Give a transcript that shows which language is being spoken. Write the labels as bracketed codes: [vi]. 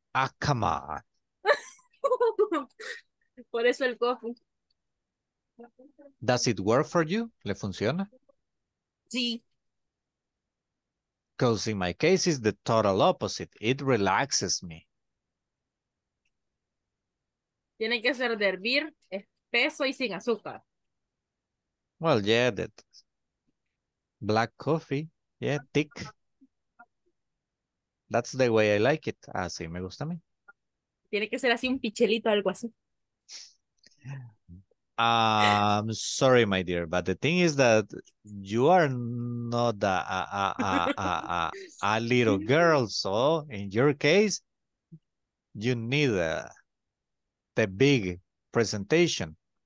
[en] Ah, come on. [es] Por eso el coffee. [en] Does it work for you? [es] ¿Le funciona? Sí. [en] Because in my case, it's the total opposite. It relaxes me. [es] Tiene que ser de hervir, espeso y sin azúcar. [en] Well, yeah, that black coffee, yeah, thick. That's the way I like it. [es] Así me gusta a mí. Tiene que ser así un pichelito, algo así. [en] I'm sorry, my dear, but the thing is that you are not a little girl, so in your case, you need the big presentation.